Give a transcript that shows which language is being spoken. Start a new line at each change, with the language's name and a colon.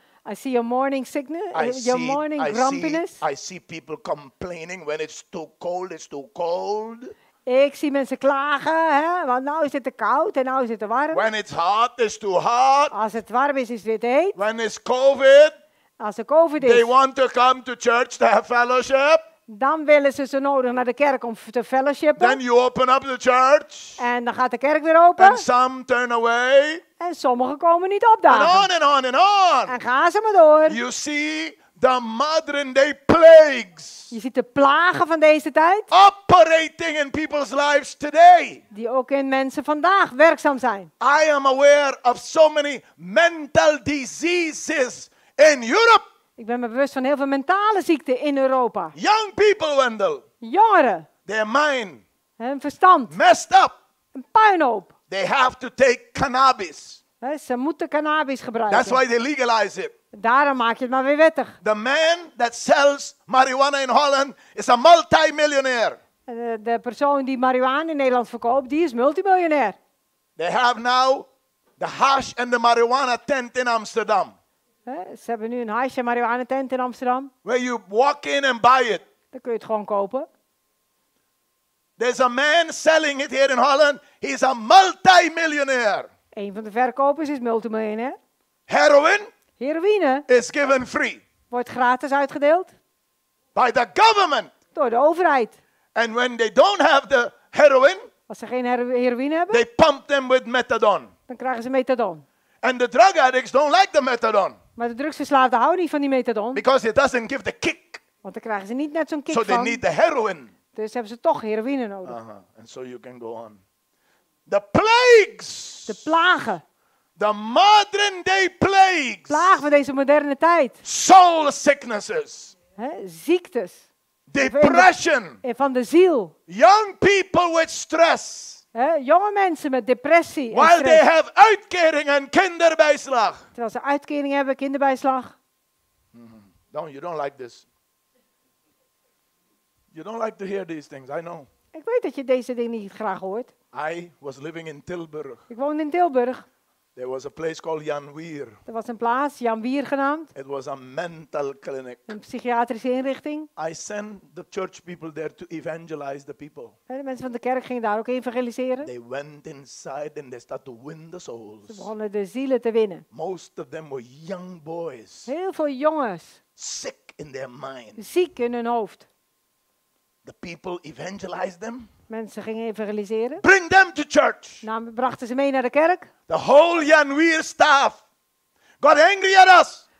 English: I see your morning sickness, your morning grumpiness. I see people complaining when it's too cold, it's too cold.
Dutch: Ik zie mensen klagen, hè? Want nou is het te koud en nou is het te warm.
English: When it's hot, it's too hot.
Dutch: Als het warm is, is het heet.
English: When it's COVID,
Dutch: als er COVID is,
English: they want to come to church to have fellowship.
Dutch: Dan willen ze zo nodig naar de kerk om te fellowshipen.
English: Then you open up the church.
Dutch: En dan gaat de kerk weer open.
English: And some turn away.
Dutch: En sommigen komen niet opdagen.
English: And on and on and on.
Dutch: En gaan ze maar door.
English: You see the modern day plagues.
Dutch: Je ziet de plagen van deze tijd.
English: Operating in people's lives today.
Dutch: Die ook in mensen vandaag werkzaam zijn.
English: I am aware of so many mental diseases in Europe.
Dutch: Ik ben me bewust van heel veel mentale ziekten in Europa.
English: Young people, Wendell.
Dutch: Jongeren.
English: Their mind.
Dutch: Hun verstand.
English: Messed up.
Dutch: Een puinhoop.
English: They have to take cannabis.
Dutch: Ze moeten cannabis gebruiken.
English: That's why they legalize it.
Dutch: Daarom maak je het maar weer wettig.
English: The man that sells marijuana in Holland is a multimillionaire.
Dutch: De persoon die marijuana in Nederland verkoopt, die is multimiljonair.
English: They have now the hash and the marijuana tent in Amsterdam.
Dutch: Ze hebben nu een hash en marijuana tent in Amsterdam.
English: Where you walk in and buy it.
Dutch: Dan kun je het gewoon kopen.
English: There's a man selling it here in Holland. He's a multimillionaire.
Dutch: Een van de verkopers is multimillionair.
English: Heroin.
Dutch: Heroïne
English: is given free.
Dutch: Wordt gratis uitgedeeld.
English: By the government.
Dutch: Door de overheid.
English: And when they don't have the heroin.
Dutch: Als ze geen heroïne hebben.
English: They pump them with methadone.
Dutch: Dan krijgen ze methadone.
English: And the drug addicts don't like the methadone.
Dutch: Maar de drugsverslaafden houden niet van die methadone.
English: Because it doesn't give the kick.
Dutch: Want dan krijgen ze niet net zo'n kick
English: so
Dutch: van.
English: So they need the heroin.
Dutch: Dus hebben ze toch heroïne nodig.
English: Uh-huh. And so you can go on. The plagues.
Dutch: De plagen.
English: The modern day plagues.
Dutch: Plagen van deze moderne tijd.
English: Soul sicknesses.
Dutch: Ziektes.
English: Depression.
Dutch: Van de ziel.
English: Young people with stress.
Dutch: Jonge mensen met depressie.
English: While they have
Dutch: uitkering en kinderbijslag. Terwijl ze uitkering hebben, kinderbijslag.
English: Mm-hmm. You don't like this. You don't like to hear these things, I know.
Dutch: Ik weet dat je deze dingen niet graag hoort.
English: I was living in Tilburg.
Dutch: Ik woonde in Tilburg.
English: There was a place called Jan Wier.
Dutch: Er was een plaats, Jan Wier genaamd.
English: It was a mental clinic.
Dutch: Een psychiatrische inrichting.
English: I sent the church people there to evangelize the people.
Dutch: En de mensen van de kerk gingen daar ook evangeliseren.
English: They went inside and they started to win the souls.
Dutch: Ze begonnen de zielen te winnen.
English: Most of them were young boys.
Dutch: Heel veel jongens.
English: Sick in their mind.
Dutch: Ziek in hun hoofd.
English: The people evangelized them.
Dutch: Mensen gingen evangeliseren.
English: Bring them to church.
Dutch: Nou, brachten ze mee naar de kerk.
English: The whole Yanweer staff got angry at us.